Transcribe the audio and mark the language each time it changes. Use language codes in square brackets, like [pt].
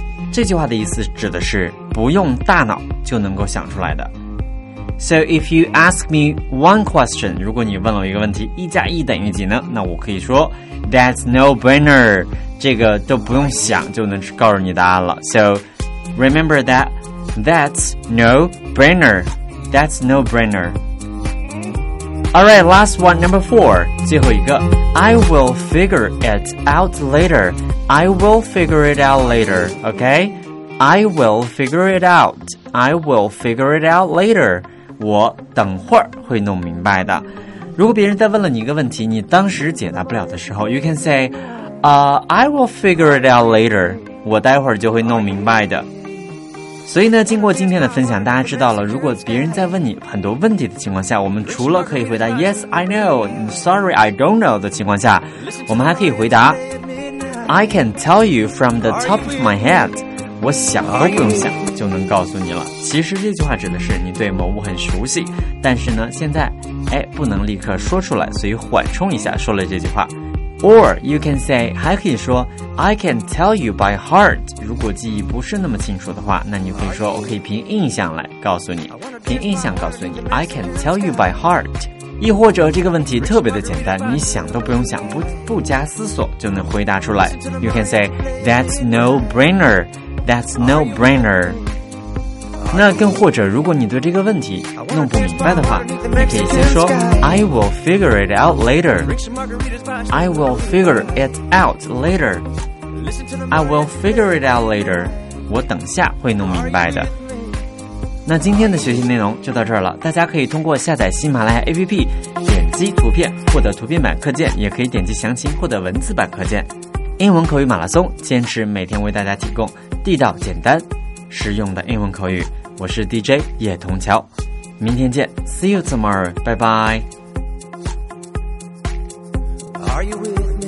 [zh] 这句话的意思指的是不用大脑就能够想出来的。 [en] So if you ask me one question, [zh] 如果你问了一个问题，一加一等于几呢？那我可以说 [en] That's no brainer, [zh] 这个都不用想就能告诉你答案了。 [en] So remember that, That's no brainer, That's no brainer. Alright, last one, number 4, [zh] 最后一个。 [en] I will figure it out laterI will figure it out later, okay? I will figure it out. I will figure it out later. [zh] 我等会儿会弄明白的。如果别人再问了你一个问题，你当时解答不了的时候， [en] you can say, I will figure it out later. [zh] 我待会儿就会弄明白的。所以呢，经过今天的分享，大家知道了，如果别人在问你很多问题的情况下，我们除了可以回答 [en] Yes, I know, Sorry, I don't know [zh] 的情况下，我们还可以回答 [en] I can tell you from the top of my head. [zh] 我想都不用想就能告诉你了。其实这句话指的是你对某物很熟悉，但是呢，现在哎不能立刻说出来，所以缓冲一下说了这句话。 [en] Or you can say, [zh] 还可以说 [en] I can tell you by heart. [zh] 如果记忆不是那么清楚的话，那你可以说我可以凭印象来告诉你，凭印象告诉你 [en] I can tell you by heart. [zh] 亦或者这个问题特别的简单，你想都不用想，不加思索就能回答出来。 [en] You can say, That's no brainer, That's no brainer. [zh] 那更或者如果你对这个问题弄不明白的话，你可以先说 [en] I will figure it out later. I will figure it out later. I will figure it out later. [zh] 我等下会弄明白的。那今天的学习内容就到这儿了，大家可以通过下载喜马拉雅 APP 点击图片获得图片版课件，也可以点击详情获得文字版课件。英文口语马拉松，坚持每天为大家提供地道简单实用的英文口语。我是 DJ 叶同桥，明天见。 [en] See you tomorrow. Bye bye. Are you with me?